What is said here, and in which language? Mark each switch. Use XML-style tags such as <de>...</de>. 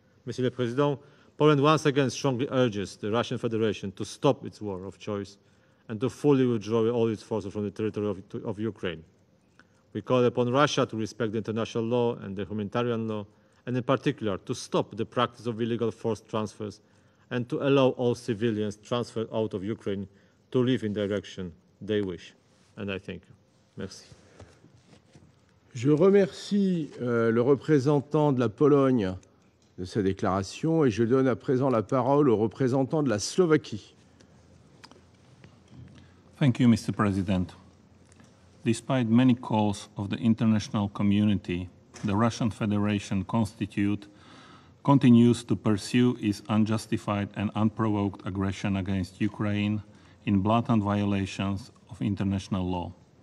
<en>Monsieur le Président, Poland once again strongly urges the Russian Federation to stop its war of choice and to fully withdraw all its forces from the territory of Ukraine. We call upon Russia to respect the international law and the humanitarian law, and in particular to stop the practice of illegal forced transfers and to allow all civilians transferred out of Ukraine to live in the direction they wish. And I thank you. Merci.</en> <fr>Je remercie le représentant de la Pologne de sa déclaration et je donne à présent la parole au représentant de la Slovaquie.</fr> <en>Thank you, Mr. President. Despite many calls of the international community, the Russian Federation continues to pursue its unjustified and unprovoked aggression against Ukraine in blatant violations of international law.</en>